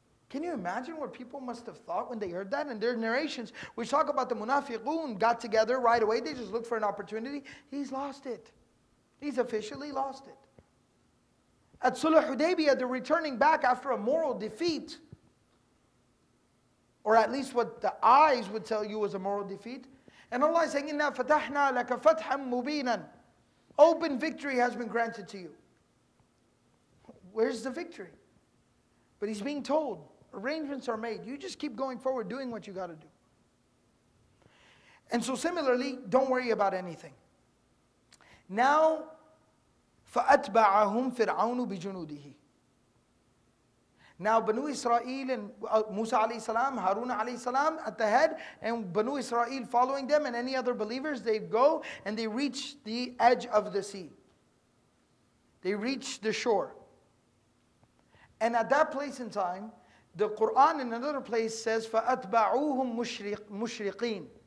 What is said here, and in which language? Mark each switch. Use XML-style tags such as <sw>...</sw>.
<en>Can you imagine what people must have thought when they heard that? And their narrations, we talk about the munafiqoon got together right away, they just looked for an opportunity. He's lost it. He's officially lost it. At Sulh Hudaybiyah, they're returning back after a moral defeat. or at least what the eyes would tell you was a moral defeat. And Allah is saying,</en> <ar>إِنَّا فَتَحْنَا لَكَ فَتْحًا مُبِينًا.</ar> <en>Open victory has been granted to you. Where's the victory? But he's being told, arrangements are made. You just keep going forward, doing what you got to do. And so similarly, don't worry about anything. Now,</en> <ar>فَأَتْبَعَهُمْ فِرْعَوْنُ بِجُنُودِهِ.</ar> <en>Now, Banu Israel and Musa alayhi salam, Harun alayhi salam at the head, and Banu Israel following them, and any other believers, they go and they reach the edge of the sea. They reach the shore. And at that place in time, the Quran in another place says,</en> <ar>فَأَتْبَعُوهُمْ مُشْرِقِينَ.</ar>